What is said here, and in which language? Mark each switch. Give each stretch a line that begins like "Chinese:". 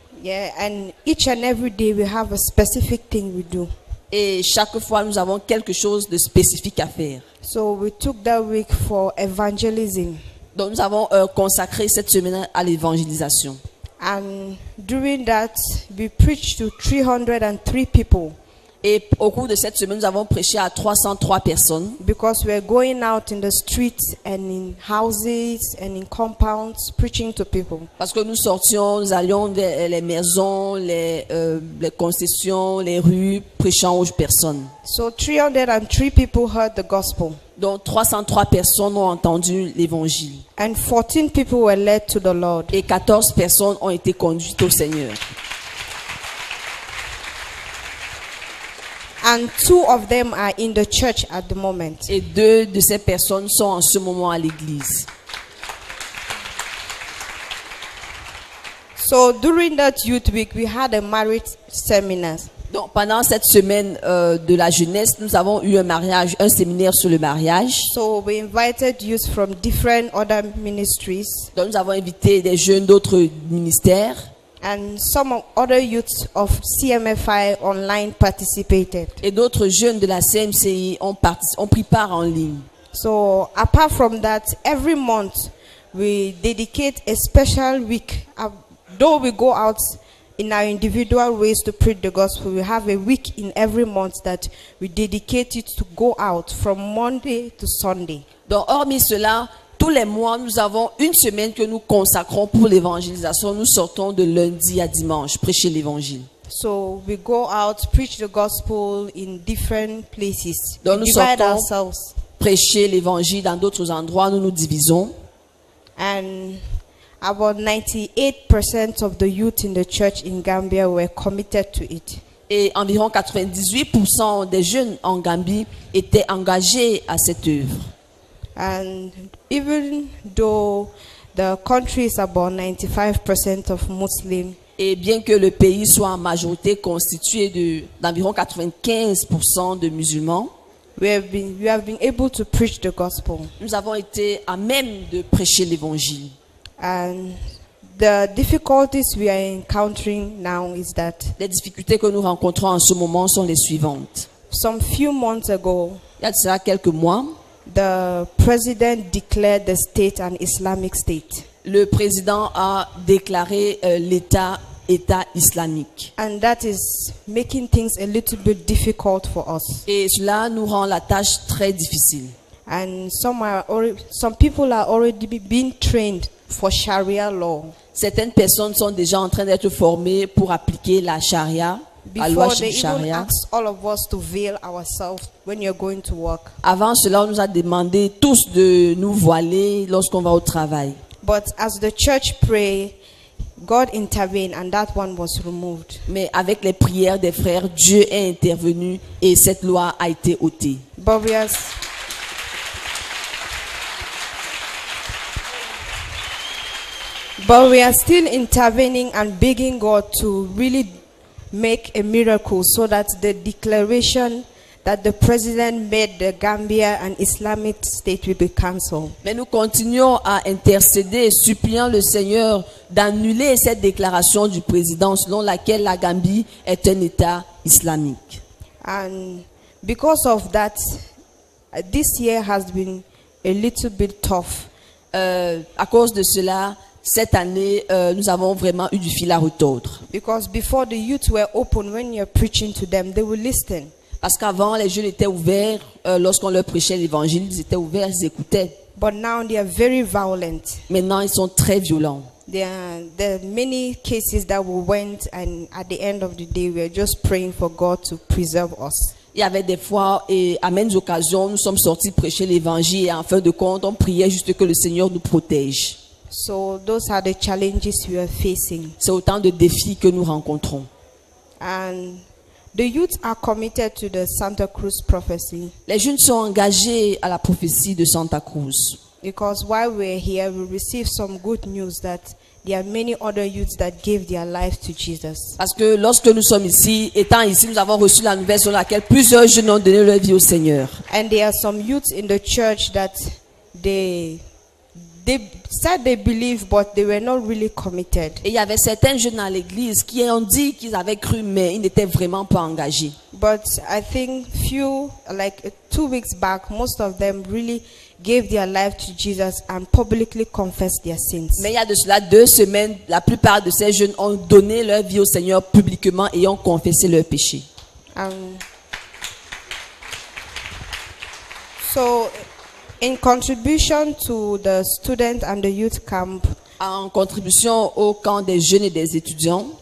English: Yeah, and each and every day we have a specific thing we do.
French: Et chaque fois, nous avons quelque chose de spécifique à faire.
English: So we took that week for evangelism.
French: Donc, nous avons consacré cette semaine à l'évangélisation.
English: And during that, we preached to 303 people.
French: Et au cours de cette semaine, nous avons prêché à 303 personnes.
English: Because we are going out in the streets and in houses and in compounds preaching to people.
French: Parce que nous sortions, nous allions vers les maisons, les concessions, les rues, prêchant aux personnes.
English: So 303 people heard the gospel.
French: Donc 303 personnes ont entendu l'évangile.
English: And 14 people were led to the Lord.
French: Et 14 personnes ont été conduites au Seigneur.
English: And two of them are in the church at the moment.
French: Et deux de ces personnes sont en ce moment à l'église.
English: So during that youth week, we had a marriage seminar.
French: Donc pendant cette semaine de la jeunesse, nous avons eu un mariage, un séminaire sur le mariage.
English: So we invited youth from different other ministries.
French: Donc nous avons invité des jeunes d'autres ministères.
English: And some other youths of CMFI online participated.
French: Et d'autres jeunes de la CMCI ont pris part en ligne.
English: So apart from that, every month we dedicate a special week. Though we go out in our individual ways to preach the gospel, we have a week in every month that we dedicate it to go out from Monday to Sunday.
French: Donc hormis cela, tous les mois, nous avons une semaine que nous consacrons pour l'évangélisation. Nous sortons de lundi à dimanche, prêcher l'évangile.
English: So we go out, preach the gospel in different places.
French: Donc
English: we
French: nous sortons,
English: ourselves.
French: Prêcher l'évangile dans d'autres endroits. Nous nous divisons.
English: And about 98% of the youth in the church in Gambia were committed to it.
French: Et environ 98% des jeunes en Gambie étaient engagés à cette œuvre.
English: And even though the country is about 95% of Muslim,
French: et bien que le pays soit en majorité constitué d'environ 95% de musulmans,
English: we have been able to preach the gospel.
French: Nous avons été à même de prêcher l'évangile.
English: And the difficulties we are encountering now is that
French: les difficultés que nous rencontrons en ce moment sont les suivantes.
English: Some few months ago,
French: il y a déjà quelques mois,
English: the president declared the state an Islamic state.
French: Le président a déclaré l'État islamique.
English: And that is making things a little bit difficult for us.
French: Et cela nous rend la tâche très difficile.
English: And some people are already being trained for Sharia law.
French: Certaines personnes sont déjà en train d'être formées pour appliquer la Sharia.
English: Before they Sharia. Even ask all of us to veil ourselves when you're going to work.
French: Avant cela, on nous a demandé tous de nous voiler lorsqu'on va au travail.
English: But as the church pray, God intervened and that one was removed.
French: Mais avec les prières des frères, Dieu est intervenu et cette loi a été ôtée. Bobias.
English: But we are still intervening and begging God to really make a miracle so that the declaration that the president made the Gambia an Islamic state will be cancelled.
French: Mais nous continuons à intercéder, suppliant le Seigneur d'annuler cette déclaration du président selon laquelle la Gambie est un État islamique.
English: And because of that, this year has been a little bit tough.
French: À cause de cela, cette année, nous avons vraiment eu du fil à retordre.
English: Because before the youth were open, when you're preaching to them, they will listen.
French: Parce qu'avant, les jeunes étaient ouverts, lorsqu'on leur prêchait l'évangile, ils étaient ouverts, ils écoutaient.
English: But now they are very violent.
French: Maintenant, ils sont très violents.
English: There are many cases that we went and at the end of the day, we are just praying for God to preserve us.
French: Il y avait des fois et à maintes occasions, nous sommes sortis prêcher l'évangile et en fin de compte, on priait juste que le Seigneur nous protège.
English: So those are the challenges we are facing.
French: C'est autant de défis que nous rencontrons.
English: And the youth are committed to the Santa Cruz prophecy.
French: Les jeunes sont engagés à la prophétie de Santa Cruz.
English: Because while we're here, we receive some good news that there are many other youths that gave their life to Jesus.
French: Parce que lorsque nous sommes ici, étant ici, nous avons reçu la nouvelle selon laquelle plusieurs jeunes ont donné leur vie au Seigneur.
English: And there are some youths in the church that they said they believe, but they were not really committed.
French: Et il y avait certains jeunes à l'église qui ont dit qu'ils avaient cru, mais ils n'étaient vraiment pas engagés.
English: But I think few, like 2 weeks back, most of them really gave their life to Jesus and publicly confessed their sins.
French: Mais il y a de cela 2 semaines, la plupart de ces jeunes ont donné leur vie au Seigneur publiquement et ont confessé leurs péchés.
English: So, in contribution to the student and the youth camp,
French: en contribution au camp des jeunes et des étudiants,